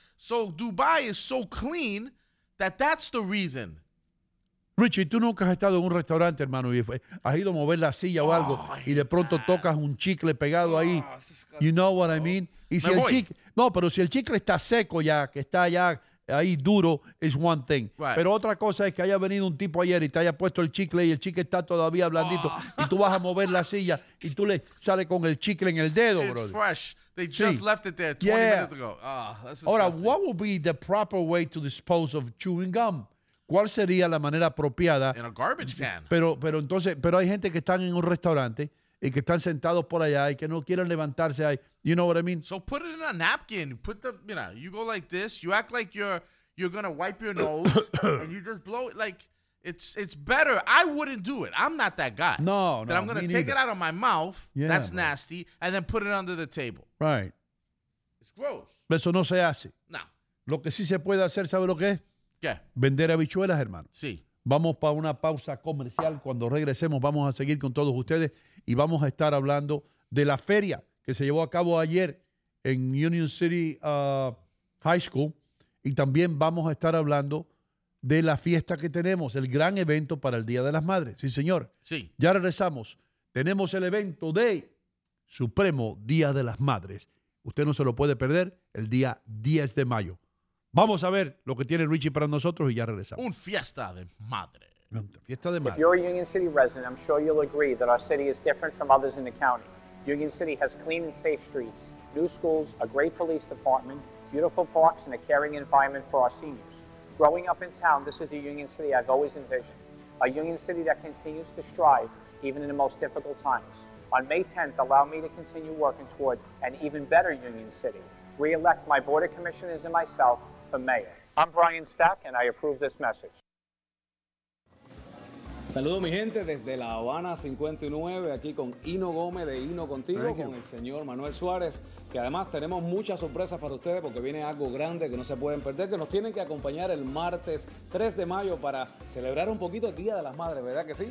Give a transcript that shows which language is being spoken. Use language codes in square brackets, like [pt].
[en] So Dubai is so clean that's the reason [es] Richie, ¿tú nunca has estado en un restaurante, hermano, y has ido a mover la silla o algo y de pronto tocas un chicle pegado ahí? [en] You know what I mean? [es] Y si el chicle, no, pero si el chicle está seco ya, que está ya ahí duro, [en] is one thing. Right. [es] Pero otra cosa es que haya venido un tipo ayer y te haya puesto el chicle y el chicle está todavía blandito y tú vas a mover la silla y tú le sales con el chicle en el dedo, [en] it's bro. It's fresh. They just left it there 20 minutes ago. Ahora, what would be the proper way to dispose of chewing gum? [es] ¿Cuál sería la manera apropiada? [en] In a garbage can. [es] Pero entonces, pero hay gente que están en un restaurante y que están sentados por allá y que no quieren levantarse ahí. [en] You know what I mean? So put it in a napkin. Put the, you know, you go like this. You act like you're going to wipe your nose and you just blow it. Like, it's better. I wouldn't do it. I'm not that guy. No, no. That I'm going to take it out of my mouth. Yeah, that's nasty. And then put it under the table. Right. It's gross. [es] Pero eso no se hace. No. Lo que sí se puede hacer, ¿sabe lo que es? ¿Qué? Vender habichuelas, hermano. Sí. Vamos para una pausa comercial. Cuando regresemos, vamos a seguir con todos ustedes y vamos a estar hablando de la feria que se llevó a cabo ayer en Union City High School. Y también vamos a estar hablando de la fiesta que tenemos, el gran evento para el Día de las Madres. Sí, señor. Sí. Ya regresamos. Tenemos el evento de Supremo Día de las Madres. Usted no se lo puede perder el día 10 de mayo. Vamos a ver lo que tiene Richie para nosotros y ya regresamos. Un fiesta de madre. Fiesta de madre. [en] If you're a Union City resident, I'm sure you'll agree that our city is different from others in the county. Union City has clean and safe streets, new schools, a great police department, beautiful parks, and a caring environment for our seniors. Growing up in town, this is the Union City I've always envisioned. A Union City that continues to strive, even in the most difficult times. On May 10th, allow me to continue working toward an even better Union City. Re-elect my board of commissioners and myself for mayor. I'm Brian Stack, and I approve this message. [es] Saludos, mi gente, desde La Habana 59, aquí con Hino Gómez de Hino Contigo, con el señor Manuel Suárez, que además tenemos muchas sorpresas para ustedes porque viene algo grande que no se pueden perder, que nos tienen que acompañar el martes 3 de mayo para celebrar un poquito el Día de las Madres, ¿verdad que sí?